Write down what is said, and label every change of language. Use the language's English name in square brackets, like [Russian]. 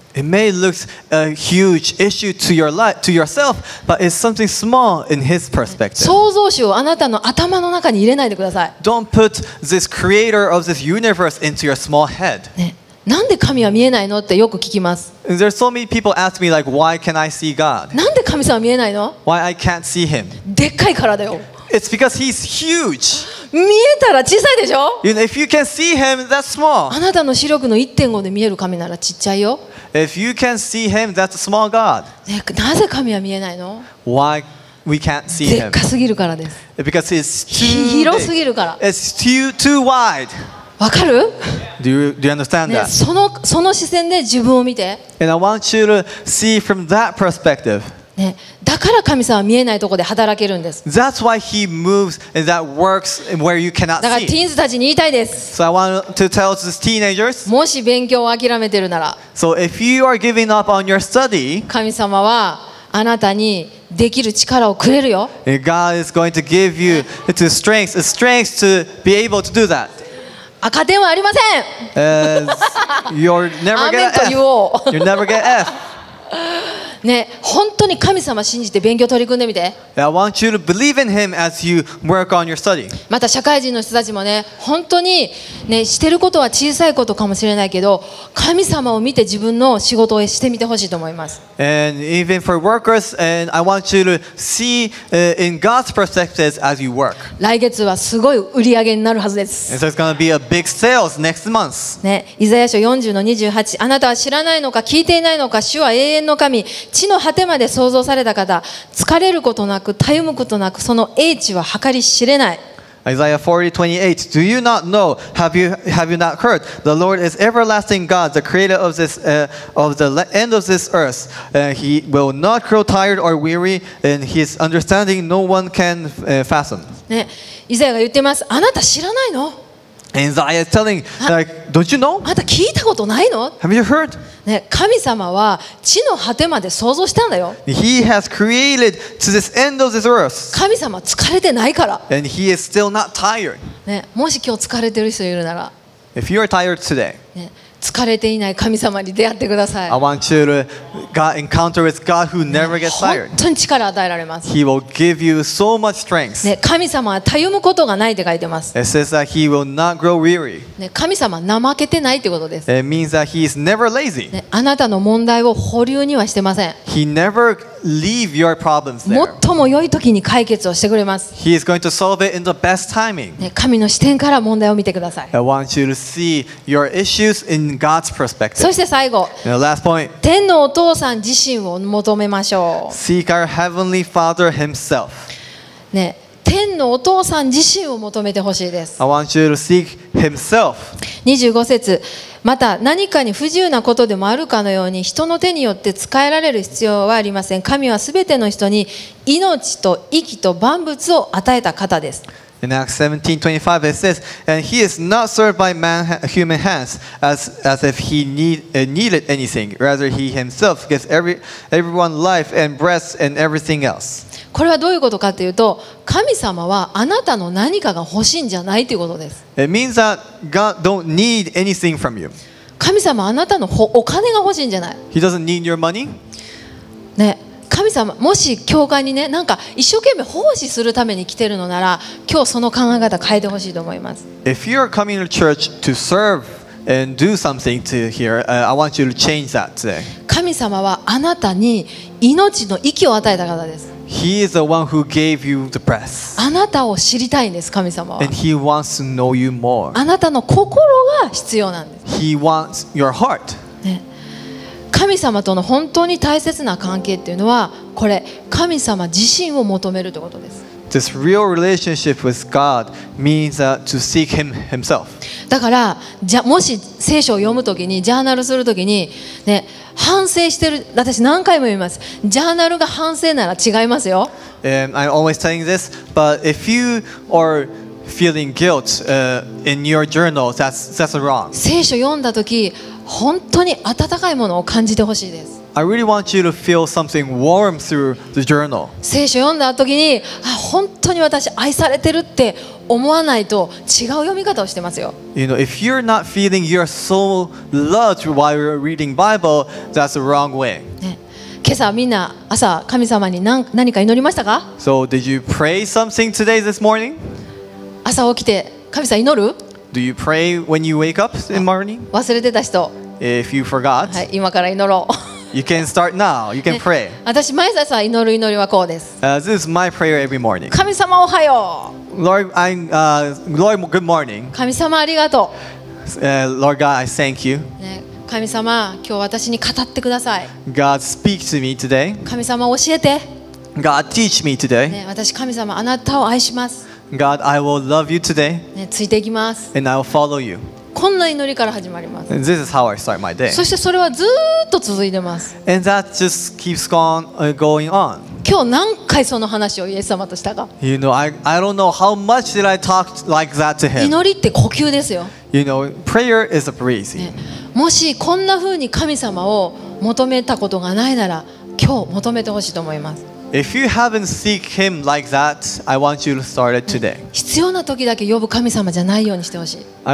[English] It may look a huge issue to your life, to yourself, but it's something small in His perspective. [Japanese] 創造主をあなたの頭の中に入れないでください。 [English] Don't put this creator of this universe into your small head. [Japanese] なんで神は見えないのってよく聞きます。 [English] There's so many people ask me like, why can I see God? [Japanese] なんで神様見えないの？ [English] Why I can't see Him? [Japanese] でっかいからだよ。 [English] It's because He's huge. [Japanese] 見えたら小さいでしょ？ [English] You know, if you can see Him, that's small. [Japanese] あなたの視力の 1.5 で見える神ならちっちゃいよ。 [English] If you can see him, that's a small God. [Japanese] なぜ神は見えないの？ [English] Why we can't see him? [Japanese] でっかすぎるからです。 [English] Because it's too [Japanese] 広すぎるから。 [English] It's too wide. [Japanese] わかる？ [English] Do you understand that? [Japanese] その視線で自分を見て。 [English] And I want you to see from that perspective. [Japanese] だから神様は見えないところで働けるんです。 [English] That's why he moves and that works where you cannot see. [Japanese] だからティーンズたちに言いたいです。 [English] So I want to tell these teenagers. [Japanese] もし勉強を諦めてるなら。 [English] So if you are giving up on your study. [Japanese] 神様はあなたにできる力をくれるよ。 [English] God is going to give you to strength to be able to do that. [Japanese] 赤点はありません。 [English] You're never get F. You'll never get F. [Japanese] ね、本当に神様信じて勉強取り組んでみて。 [English] I want you to believe in him as you work on your study. [Japanese] また社会人の人たちもね、本当にね、してることは小さいことかもしれないけど、神様を見て自分の仕事をしてみてほしいと思います。 [English] And even for workers, and I want you to see in God's perspectives as you work. [Japanese] 来月はすごい売り上げになるはずです。 [English] And so it's going to be a big sales next month. [Japanese] ね、イザヤ書40-28、あなたは知らないのか聞いていないのか、主は永遠の神。地の果てまで創造された方、疲れることなく、たゆむことなく、その英知は計り知れない。 [English] Isaiah 40:28. Do you not know? Have you not heard? The Lord is everlasting God, the creator of this of the end of this earth. He will not grow tired or weary, and his understanding no one can fathom. [Japanese] ね、イザヤが言ってます。あなた知らないの？ [English] Isaiah is telling like, don't you know? [Japanese] あなた聞いたことないの？ [English] Have you heard? [Japanese] ね、神様は地の果てまで創造したんだよ。 [English] He has created to this end of this earth. [Japanese] 神様は疲れてないから。 [English] And he is still not tired. [Japanese] ね、もし今日疲れてる人いるなら。 [English] If you are tired today. [Japanese] ね、疲れていない神様に出会ってください。 [English] I want you to God encounter with God who never gets tired. [Japanese] 本当に力与えられます。 [English] He will give you so much strength. [Japanese] ね、神様はたゆむことがないって書いてます。 [English] It says that he will not grow weary. [Japanese] ね、神様は怠けてないってことです。 [English] It means that he is never lazy. [Japanese] ね、あなたの問題を保留にはしてません。 [English] He never leave your problems there. [Japanese] 最も良い時に解決をしてくれます。 [English] He is going to solve it in the best timing. [Japanese] ね、神の視点から問題を見てください。 [English] I want you to see your issues in God's perspective. [Japanese] そして最後。 [English] The last point. [Japanese] 天のお父さん自身を求めましょう。 [English] Seek our heavenly Father himself. [Japanese] ね、天のお父さん自身を求めてほしいです。 [English] I want you to seek himself. [Japanese] 25節。また何かに不自由なことでもあるかのように人の手によって使えられる必要はありません。神はすべての人に命と息と万物を与えた方です。 [English] In Acts 17:25 it says, And he is not served by man, human hands as if he needed anything. Rather, he himself gives everyone life and breath and everything else. [Japanese] これはどういうことかというと、神様はあなたの何かが欲しいんじゃないということです。 [English] It means that God don't need anything from you. [Japanese] 神様はあなたのお金が欲しいんじゃない。 [English] He doesn't need your money. [Japanese] ね、神様、もし教会にね、なんか一生懸命奉仕するために来てるのなら、今日その考え方変えてほしいと思います。 [English] If you are coming to church to serveAnd do something to here. I want you to change that today. [Japanese] 神様はあなたに命の息を与えた方です。 [English] He is the one who gave you the breath. [Japanese] あなたを知りたいんです、神様は。 [English] And he wants to know you more. [Japanese] あなたの心が必要なんです。 [English] He wants your heart. [Japanese] ね、神様との本当に大切な関係っていうのは、これ、神様自身を求めるということです。 [English] This real relationship with God means to seek Him Himself. [Japanese] だから、じゃもし聖書を読むときに、ジャーナルするときに、ね、反省してる、私何回も言います。ジャーナルが反省なら違いますよ。 [English] And I'm always telling this, but if you are feeling guilt in your journal, that's wrong. [Japanese] 聖書読んだとき、本当に温かいものを感じてほしいです。 [English] I really want you to feel something warm through the journal. [Japanese] 聖書読んだ時に、本当に私愛されてるって思わないと違う読み方をしてますよ。 [English] You know, if you're not feeling you're so loved while you're reading Bible, that's the wrong way. [Japanese] 今朝みんな朝神様に何か祈りましたか？ [English] So did you pray something today this morning? [Japanese] 朝起きて神様祈る？ [English] Do you pray when you wake up in the morning? [Japanese] 忘れてた人。 [English] If you forgot. [Japanese] はい、今から祈ろう。 [English] You can start now. You can pray. [Japanese] 私毎朝祈る祈りはこうです。 [English] This is my prayer every morning. [Japanese] 神様おはよう。 [English] Lord, Lord, good morning. [Japanese] 神様ありがとう。 [English] Lord God, I thank you. [Japanese] 神様、今日私に語ってください。 [English] God, speak to me today. [Japanese] 神様教えて。 [English] God, teach me today. [Japanese] 私神様あなたを愛します。 [English] God, I will love you today. [Japanese] ついていきます。 [English] And I will follow you. [Japanese] こんな祈りから始まります。 [English] This is how I start my day. [Japanese] そしてそれはずっと続いてます。 [English] And that just keeps going on. [Japanese] 今日何回その話をイエス様としたか。 [English] You know, I don't know how much did I talk like that to him. [Japanese] 祈りって呼吸ですよ。 [English] You know, prayer is a breathing. [Japanese] もしこんな風に神様を求めたことがないなら、今日求めてほしいと思います。 [English] If you haven't seek him like that, I want you to start it today. [Japanese] 必要な時だけ呼ぶ神様じゃないようにしてほしい。